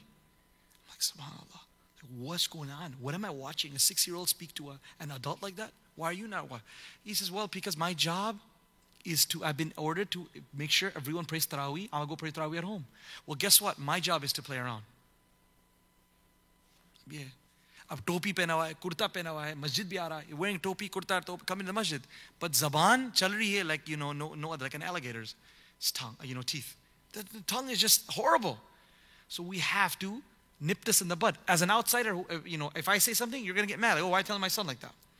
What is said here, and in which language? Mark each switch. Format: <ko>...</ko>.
<en>I'm like, subhanAllah, what's going on? What am I watching? A 6-year-old speak to an adult like that? Why are you not? He says, "Well, because my job is to, I've been ordered to make sure everyone prays Tarawih. I'm going to go pray Tarawih at home." Well, guess what? My job is to play around. Yeah.</en> <ur>اب ٹوپی پہنا ہوا ہے, کرتا پہنا ہوا ہے, مسجد بھی آ رہا ہے.</ur> <en>Wearing topi, kurta, come in the masjid. But</en> <ur>zaban chal rahi hai,</ur> <en>like, you know, no other, like an alligator's tongue, you know, teeth. The tongue is just horrible. So we have to nip this in the bud. As an outsider, you know, if I say something, you're going to get mad. Like, oh, why are you telling my son like that?</en>